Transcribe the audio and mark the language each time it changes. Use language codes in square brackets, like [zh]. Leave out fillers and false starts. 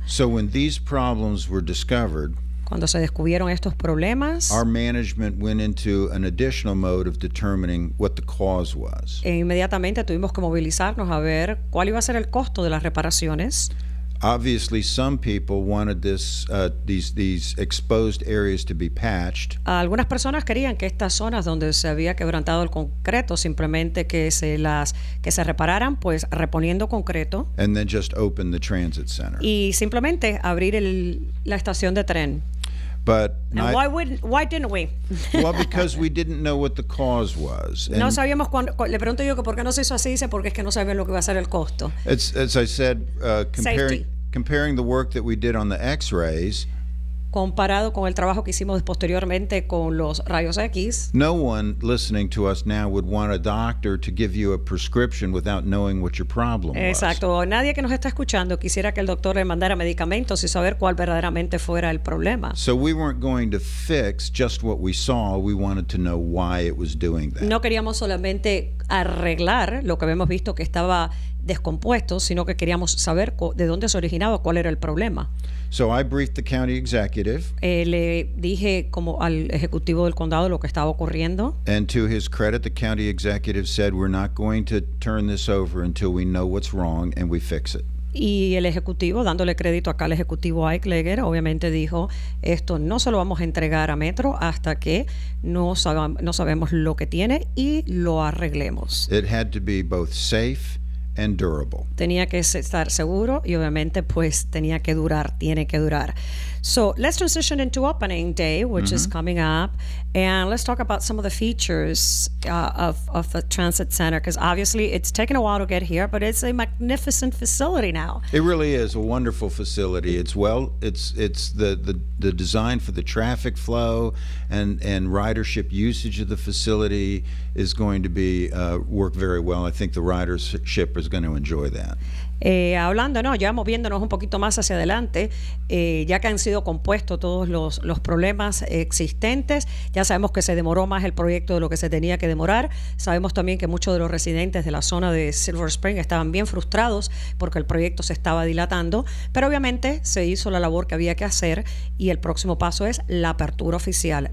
[en] So when these problems were discovered, [es] cuando se descubrieron estos problemas, [en] our management went into an additional mode of determining what the cause was. [es] E inmediatamente tuvimos que movilizarnos a ver cuál iba a ser el costo de las reparaciones. [en] Obviously, some people wanted these exposed areas to be patched. [es] Algunas personas querían que estas zonas donde se había quebrantado el concreto simplemente que se repararan, pues reponiendo concreto. [en] And then just open the transit center. [es] Y simplemente abrir la estación de tren. [en] But and why didn't we? Well, because we didn't know what the cause was. [es] No sabíamos cuándo. Le pregunto yo que por qué no se hizo así. Dice porque es que no sabían lo que iba a ser el costo. [en] As I said, comparing the work that we did on the X-rays. [es] Comparado con el trabajo que hicimos posteriormente con los rayos X. [en] No one listening to us now would want a doctor to give you a prescription without knowing what your problem was. [es] Exacto. Nadie que nos está escuchando quisiera que el doctor le mandara medicamentos sin saber cuál verdaderamente fuera el problema. [en] So we weren't going to fix just what we saw. We wanted to know why it was doing that. [es] No queríamos solamente arreglar lo que habíamos visto que estaba descompuesto, sino que queríamos saber de dónde se originaba, cuál era el problema. [en] So I briefed the county executive. [es] Le dije como al ejecutivo del condado lo que estaba ocurriendo. [en] And to his credit, the county executive said, "We're not going to turn this over until we know what's wrong and we fix it." [es] Y el ejecutivo, dándole crédito acá al ejecutivo Eichleger, obviamente dijo, esto no se lo vamos a entregar a Metro hasta que no sabemos lo que tiene y lo arreglemos. [en] It had to be both safe and durable. [es] Tenía que estar seguro y obviamente pues tenía que durar, tiene que durar. [en] So let's transition into opening day, which is coming up, and let's talk about some of the features of the transit center, because obviously it's taken a while to get here, but it's a magnificent facility now. It really is a wonderful facility. It's the design for the traffic flow and ridership usage of the facility is going to be work very well. I think the ridership is going to enjoy that. [es] Ya moviéndonos un poquito más hacia adelante, ya que han sido compuestos todos los problemas existentes, ya sabemos que se demoró más el proyecto de lo que se tenía que demorar. Sabemos también que muchos de los residentes de la zona de Silver Spring estaban bien frustrados porque el proyecto se estaba dilatando, pero obviamente se hizo la labor que había que hacer y el próximo paso es la apertura oficial.